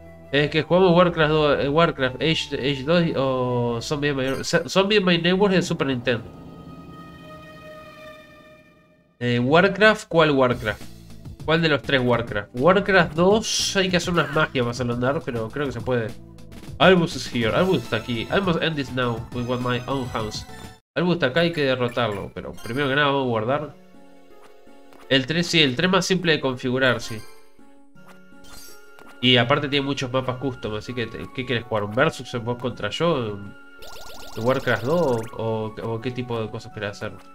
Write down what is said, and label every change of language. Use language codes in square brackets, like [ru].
[es] Es que jugamos Warcraft Age 2 o Zombie My Neighbors de Super Nintendo. Warcraft, ¿cuál Warcraft? ¿Cuál de los tres Warcraft? Warcraft 2, hay que hacer unas magias para andar, pero creo que se puede. [en] Albus is here, [es] Albus está aquí. [en] I must end this now with my own hands. [es] Albus está acá, hay que derrotarlo, pero primero que nada vamos a guardar. El 3, sí, el 3 más simple de configurar, sí. Y aparte tiene muchos mapas custom, así que ¿qué quieres jugar? ¿Un versus en vos contra yo? ¿En Warcraft 2? ¿O qué tipo de cosas querés hacer?